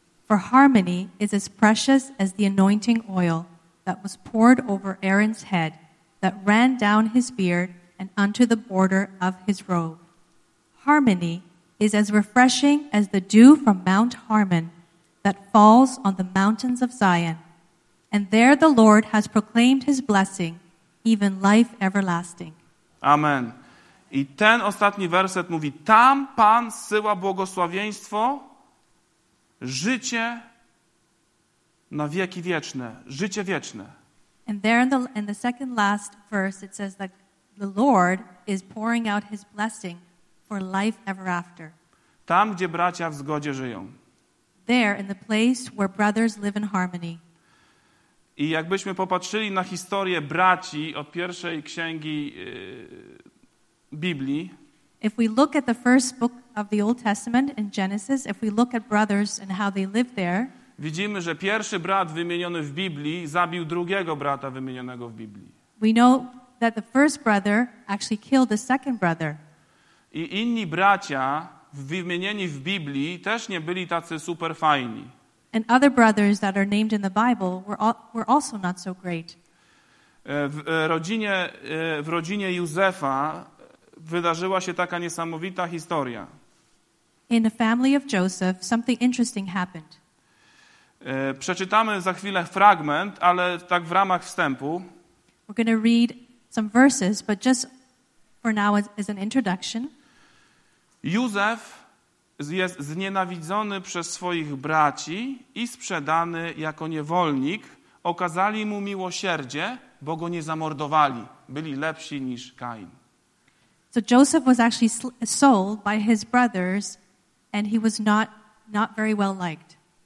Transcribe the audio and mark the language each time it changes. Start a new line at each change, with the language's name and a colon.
English: For harmony is as precious as the anointing oil that was poured over Aaron's head, that ran down his beard and unto the border of his robe. Harmony is as refreshing as the dew from Mount Hermon that falls on the mountains of Zion. And there the Lord has proclaimed his blessing, even life everlasting. Amen.
Polish: I ten ostatni werset mówi, tam Pan zsyła błogosławieństwo, życie na wieki wieczne, życie wieczne.
English: And there in the second last verse it says that the Lord is pouring out his blessing for life ever after.
Polish: Tam, gdzie bracia w zgodzie żyją.
English: There in the place where brothers live in harmony.
Polish: I jakbyśmy popatrzyli na historię braci od pierwszej księgi Biblii.
English: If we look at the first book of the Old Testament in Genesis, if we look at brothers and how they lived there.
Polish: Widzimy, że pierwszy brat wymieniony w Biblii zabił drugiego brata wymienionego w Biblii.
English: We know that the first brother actually killed the second brother.
Polish: I inni bracia wymienieni w Biblii też nie byli tacy super fajni.
English: And other brothers that are named in the Bible were also not so great.
Polish: W rodzinie Józefa wydarzyła się taka niesamowita historia.
English: In the family of Joseph, something interesting happened.
Polish: Przeczytamy za chwilę fragment, ale tak w ramach wstępu.
English: We're going to read some verses, but just for now as an introduction.
Polish: Józef jest znienawidzony przez swoich braci i sprzedany jako niewolnik. Okazali mu miłosierdzie, bo go nie zamordowali. Byli lepsi niż Kain.
English: So Joseph was actually sold by his brothers and he was not very well liked.